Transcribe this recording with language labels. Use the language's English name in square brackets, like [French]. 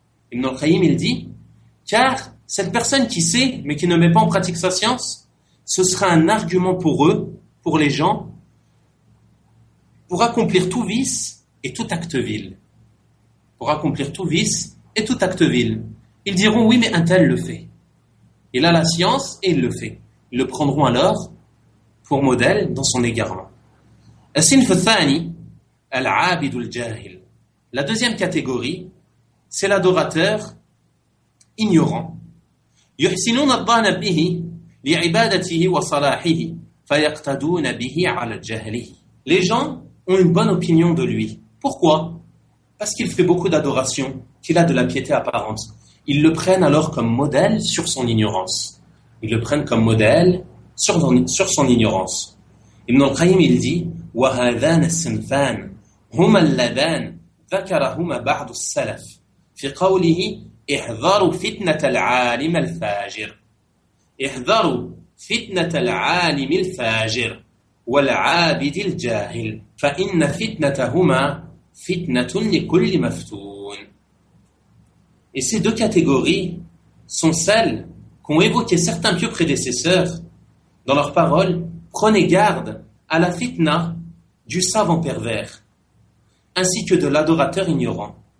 [French] Ibn al-Qayyim, il dit, car cette personne qui sait, mais qui ne met pas en pratique sa science, ce sera un argument pour eux, pour les gens, pour accomplir tout vice et tout acte vil. Pour accomplir tout vice et tout acte vil. Ils diront, oui, mais un tel le fait. Il a la science et il le fait. Ils le prendront alors pour modèle dans son égarement. [Arabic] الصنف الثاني العابد الجاهل. [French] La deuxième catégorie, c'est l'adorateur ignorant. [Arabic] يحسنون الظن به لعبادته وصلاحه فيقتدون به على جهله. [French] Les gens ont une bonne opinion de lui. Pourquoi? Parce qu'il fait beaucoup d'adoration, qu'il a de la piété apparente. Ils le prennent alors comme modèle sur son ignorance. Ils le prennent comme modèle sur son ignorance. [Arabic] Ibn al-Qayyim, [French] il dit, [Arabic] وهذان الصنفان هما اللذان ذكرهما بعض السلف في قوله احذروا فتنة العالم الفاجر. احذروا فتنة العالم الفاجر والعابد الجاهل فإن فتنتهما فتنة لكل مفتون. [French] Et ces deux catégories sont celles qu'ont évoquées certains pieux prédécesseurs dans leurs paroles. Prenez garde à la fitna du savant pervers, ainsi que de l'adorateur ignorant.